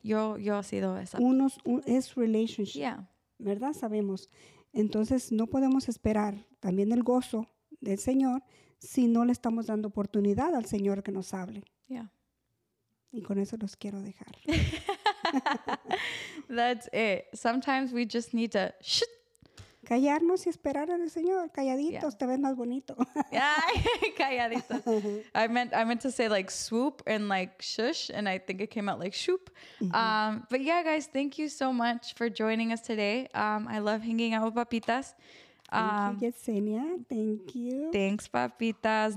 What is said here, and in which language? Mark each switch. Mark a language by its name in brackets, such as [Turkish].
[Spanish] Yo he sido esa. Es relationship. [English] Yeah. [Spanish] ¿Verdad? Sabemos. Entonces no podemos esperar también el gozo del Señor si no le estamos dando oportunidad al Señor que nos hable. [English] Yeah. [Spanish] Y con eso los quiero dejar. [English] That's it. Sometimes we just need to shh. [Spanish] Callarnos y esperar al Señor. Calladitos, yeah. Te ves más bonito. Calladitos. [English] I meant to say like swoop and like shush, and I think it came out like shoop. Mm-hmm. But yeah, guys, thank you so much for joining us today. I love hanging out with Papitas. Thank you, Yesenia. Thank you. Thanks, Papitas.